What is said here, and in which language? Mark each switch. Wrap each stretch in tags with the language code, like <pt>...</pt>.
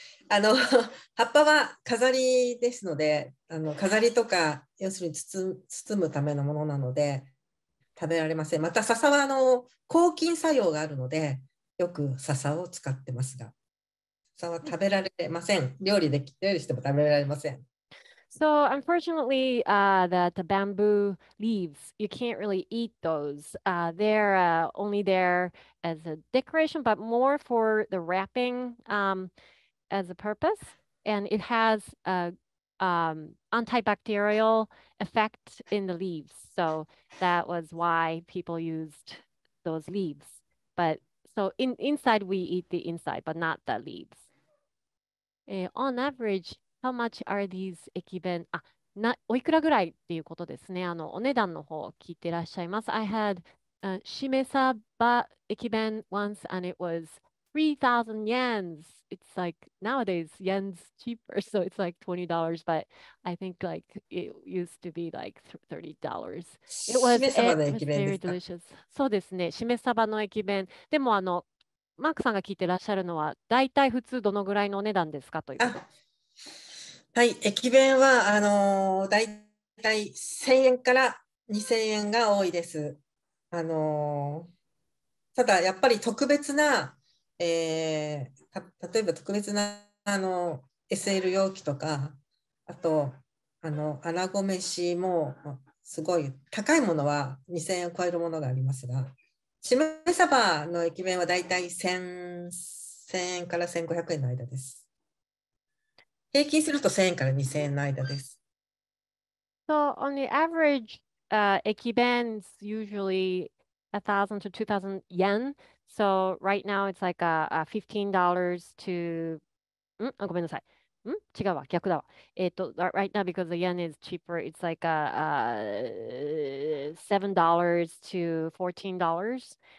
<ja>あの葉っぱは飾りですのであの飾りとか要するに包むためのものなので食べられません。また笹はあの抗菌作用があるのでよく笹を使ってますが笹は食べられません。料理しても食べられません。</ja> <en>So unfortunately, the bamboo leaves, you can't really eat those. They're only there as a decoration, but more for the wrapping as a purpose. And it has an antibacterial effect in the leaves. So that was why people used those leaves. But so inside, we eat the inside, but not the leaves. On average... How much are these ekiben?</en> <ja>あ、な、おいくらぐらいっていうことですね。あの、お値段の方聞いてらっしゃいます。</ja> <en>I had しめさば ekiben once and it was 3,000 yen. It's like nowadays yen's cheaper, so it's like $20, but I think like it used to be like $30. It</en> <ja>was, しめさばの ekiben ですか?</ja> <en>Very delicious.</en> <ja>そうですね。しめさばの ekiben。でもあの、マークさんが聞いてらっしゃるのは、だいたい普通どのぐらいのお値段ですかということ。はい、駅弁はあのー、だいたい1000円から2000円が多いです。ただやっぱり特別な、例えば特別な、SL 容器とか、あと、あの、穴子飯もすごい高いものは2000円を超えるものがありますが、シムサバの駅弁はだいたい1000円から1500円の間です。平均すると1000円から2000円の間です。</ja> <en>So on the average, ekiben is usually 1000 to 2000 yen. So right now it's like $15 to right now because the yen is cheaper, it's like $7 to $14.</en>